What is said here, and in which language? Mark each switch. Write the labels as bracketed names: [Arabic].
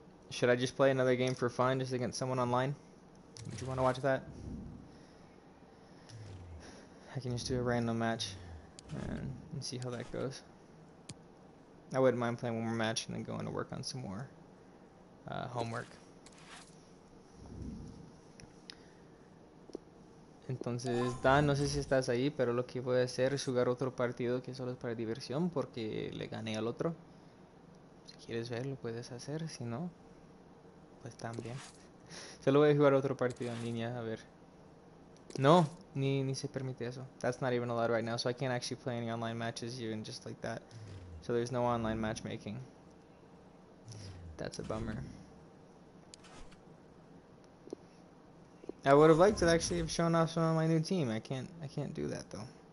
[English] Should I just play another game for fun just against someone online? Would you want to watch that? I can just do a random match and see how that goes. I wouldn't mind playing one more match and then going to work on some more homework. [Spanish] Entonces, Dan, no sé si estás ahí, pero lo que voy a hacer es jugar otro partido que solo es para diversión porque le gané al otro. Si quieres ver, lo puedes hacer, si no, pues también. Solo voy a jugar otro partido en línea, a ver. No, ni se permite eso. [English] That's not even allowed right now, so I can't actually play any online matches even just like that. So there's no online matchmaking. That's a bummer. I would have liked to actually have shown off some of my new team. I can't do that though.